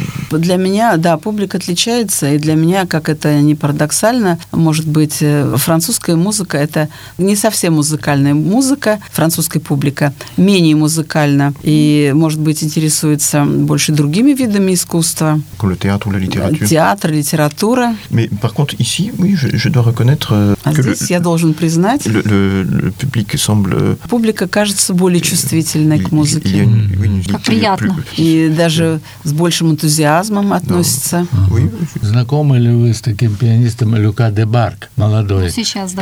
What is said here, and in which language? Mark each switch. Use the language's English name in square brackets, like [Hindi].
[Russian] Для меня, да, публика отличается. И для меня, как это не парадоксально, может быть, французская музыка – это не совсем музыка. Музыкальная музыка, французская публика менее музыкальна и, может быть, интересуется больше другими видами искусства. Театр, литература. Театр, литература. [French] Mais, par contre, ici, oui, je dois reconnaître [Russian] que здесь я должен признать, [French] le public semble... [Russian] публика кажется более чувствительной к музыке. Как приятно. И даже с большим энтузиазмом относится. Знакомы ли вы с таким пианистом Люка де Барк, молодой? Сейчас, да.